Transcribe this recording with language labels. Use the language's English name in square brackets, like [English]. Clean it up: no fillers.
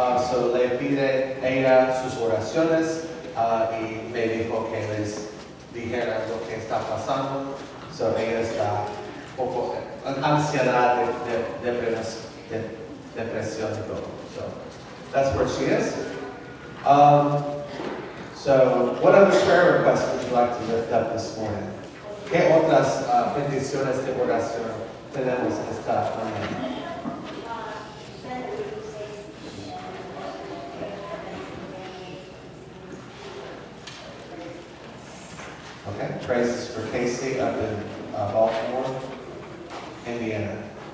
[Spanish] So le pide ella sus oraciones y me dijo que les dijera lo que está pasando. So ella está un poco ansiada de depresión y todo. [English] So that's where she is. So what other prayer requests would you like to lift up this morning? [Spanish] ¿Qué otras peticiones de oración tenemos esta mañana? [English] Okay, praises for Casey up in Baltimore, Indiana.